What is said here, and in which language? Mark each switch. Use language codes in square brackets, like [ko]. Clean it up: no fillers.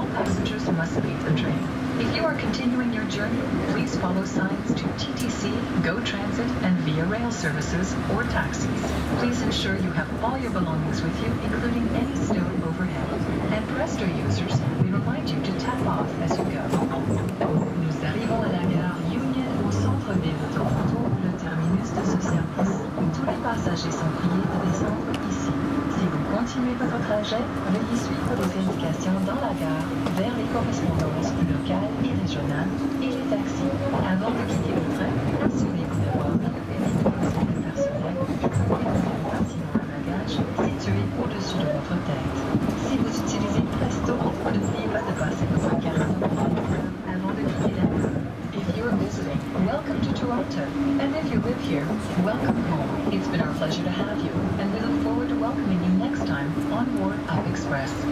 [en] are continuing your journey, please follow signs to TTC, GO Transit, and Via Rail services or taxis. Please ensure you have all your belongings with you, including any snow overhead. And Presto users, we remind you to tap off as you go. [fr] Nous arrivons à la gare Union au centre de Toronto, le terminus de ce service. Tous les passagers sont priés de descendre ici. Si vous continuez votre trajet, veuillez suivre les indications dans la gare vers les correspondances locales et régionales et les taxis. Avant de quitter le train, assurez-vous d'avoir mis le personnel et de partir à bagage situé au-dessus de votre tête. Si vous utilisez Presto, n'oubliez pas de passer votre carte avant de quitter la gare. [en] Welcome to Toronto, and if you live here, welcome home. It's been our pleasure to have you, and we look forward to welcoming you next time on board Up Express.